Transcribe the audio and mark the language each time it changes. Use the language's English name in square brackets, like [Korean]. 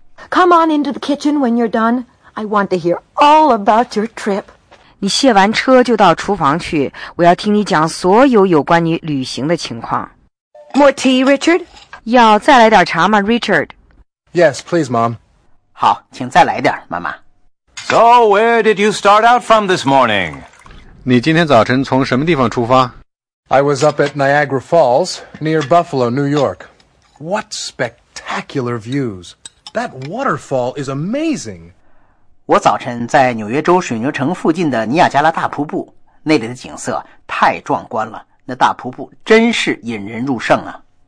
[English] Come on into the kitchen when you're done. I want to hear all about your trip. [Chinese] 你卸完车就到厨房去，我要听你讲所有有关你旅行的情况。 [English] More tea, Richard? [Chinese] 要再来点茶吗，Richard？ [English] Yes, please, Mom. [Chinese] 好，请再来点，妈妈。 [English] So, where did you start out from this morning? [Chinese] 你今天早晨从什么地方出发? [English] I was up at Niagara Falls, near Buffalo, New York. What spectacular views! That waterfall is amazing! [Chinese] 我早晨在纽约州水牛城附近的尼亚加拉大瀑布，那里的景色太壮观了，那大瀑布真是引人入胜啊。